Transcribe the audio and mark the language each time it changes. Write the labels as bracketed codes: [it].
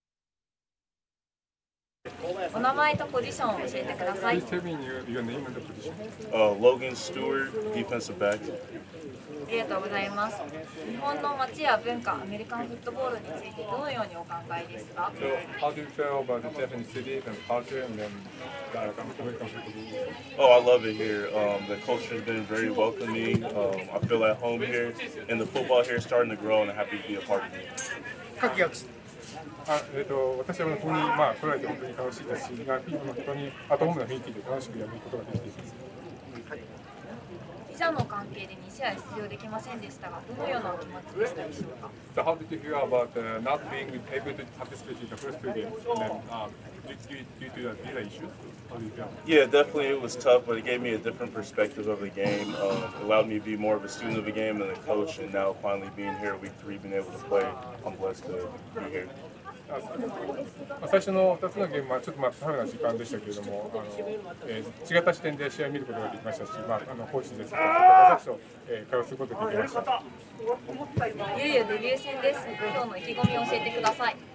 [ja] 。お名前とポジションを教えてください。 [en] Tell me your name and the position. Logan Stewart, defensive back. [ja] ありがとうございます。日本の街や文化、アメリカンフットボールについてどのようにお考えですか。 [en] So, how do you feel about the Japanese city and culture and then American football? Oh, I love it here. The culture has been very welcoming. I feel at home here. And the football here is starting to grow and I'm happy to be a part of it. 各役者 [ja] 私はここに、まあ、来られて本当に楽しいですし、まあ、今の人にアトホームの雰囲気で楽しくやることができています。ビザの関係で2試合出場できませんでしたが、どのようなお気持ちでしたでしょうか。 [en] So how did you hear about not being able to participate in the first two games and, due to the visa issue? Yeah, definitely it was tough, but it gave me a different perspective of the game. Allowed me to be more of a student of the game and a coach, and now finally being here week 3 being able to play, I'm blessed to be here. [ja] 最初の2つのゲームはちょっとまあ大変な時間でしたけれども、違った視点で試合を見ることができましたし、まあ、コーチですとか、私たちと会話することができました。いよいよデビュー戦です。今日の意気込みを教えてください。